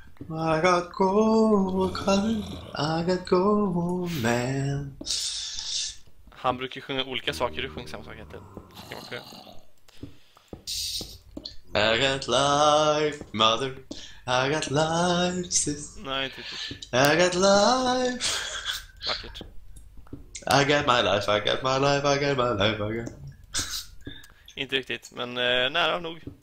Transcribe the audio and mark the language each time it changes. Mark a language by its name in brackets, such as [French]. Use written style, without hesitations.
[English] I got gold, cousin. I got gold, man. [Swedish] Han brukar sjunga olika saker, du sjunger samma sak hela tiden. [English] I got life, mother. I got life, sister. [Swedish] Nej, inte riktigt. [English] I got life. [Swedish] Vackert. [English] I got my life, I got my life, I got my life, I got. [Swedish] Inte riktigt, men nära nog.